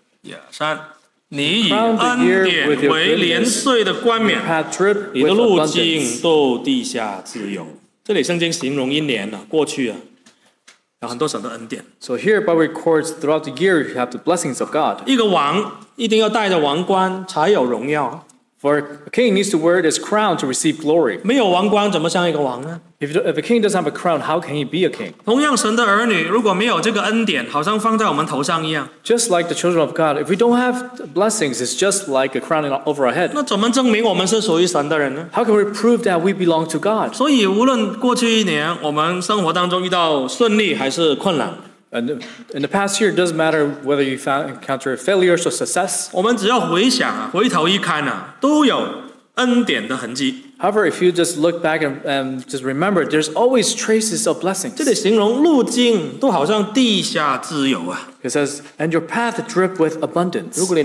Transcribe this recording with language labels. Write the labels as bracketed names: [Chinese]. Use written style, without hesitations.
[Chinese] 1, 3 你以恩典为年岁的冠冕 你的路径都地下自由 这里圣经形容一年过去啊 有很多神的恩典 [English] So here Bible records throughout the year you have the blessings of God [Chinese] 一个王一定要带着王冠才有荣耀 [English] For a king needs to wear his crown to receive glory. [Chinese] 没有王冠怎么像一个王呢? [English] If a king doesn't have a crown, how can he be a king? [Chinese] 同样神的儿女如果没有这个恩典,好像放在我们头上一样。 [English] Just like the children of God, if we don't have blessings, it's just like a crown over our head. [Chinese] 那怎么证明我们是属于神的人呢? [English] How can we prove that we belong to God? [Chinese] 所以无论过去一年,我们生活当中遇到顺利还是困难。 [English] And in the past year, it doesn't matter whether you encounter failures or success. [Chinese] 我们只要回想,回头一看,都有恩典的痕迹。 [English] However, if you just look back and just remember, there's always traces of blessings. [Chinese] 这里形容路径都好像地下自由啊。 [English] It says, and your path drip with abundance.